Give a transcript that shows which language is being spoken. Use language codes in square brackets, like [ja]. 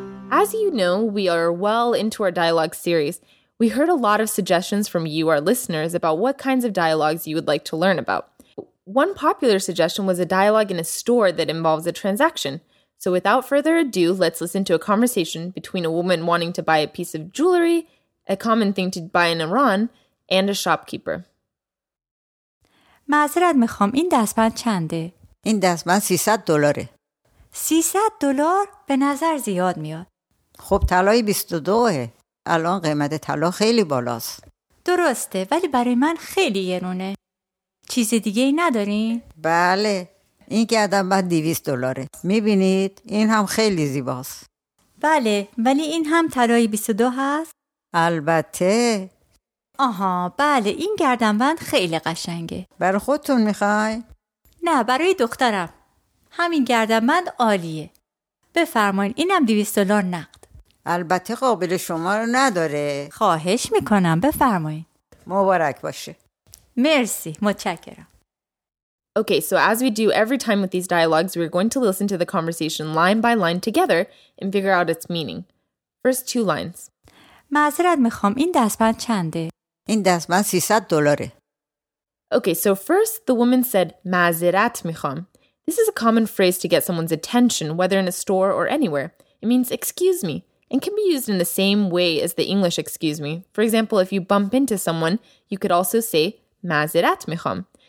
[en] As you know, we are well into our dialogue series. We heard a lot of suggestions from you, our listeners, about what kinds of dialogues you would like to learn about. One popular suggestion was a dialogue in a store that involves a transaction. So without further ado, let's listen to a conversation between a woman wanting to buy a piece of jewelry, a common thing to buy in Iran, and a shopkeeper. [fa] معذرت میخوام این دستبند چنده؟ این دستبند 300 دلاره. 300 دلار به نظر زیاد میاد. خب طلای 22ه. الان قیمت طلا خیلی بالاست. درسته، ولی برای من خیلی گرونه. چیز دیگه ای ندارین؟ بله، این گردن بند 200 دلاره. میبینید؟ این هم خیلی زیباست. بله، ولی این هم طلای 22 هست؟ البته. آها، بله، این گردن بند خیلی قشنگه. برای خودتون میخوای؟ نه، برای دخترم. همین گردن بند عالیه. بفرمایین، اینم 200 دلار نقد. البته قابل شما رو نداره. خواهش میکنم، بفرمایین. مبارک باشه. Merci, متشکرم. [en] Okay, so as we do every time with these dialogues, we're going to listen to the conversation line by line together and figure out its meaning. First two lines. [fa] معذرت میخوام این دستبند چنده؟ این دستبند 300 دلاره. [en] Okay, so first the woman said [fa] معذرت میخوام. [en] This is a common phrase to get someone's attention, whether in a store or anywhere. It means excuse me. And can be used in the same way as the English excuse me. For example, if you bump into someone, you could also say [fa] معذرت میخوام.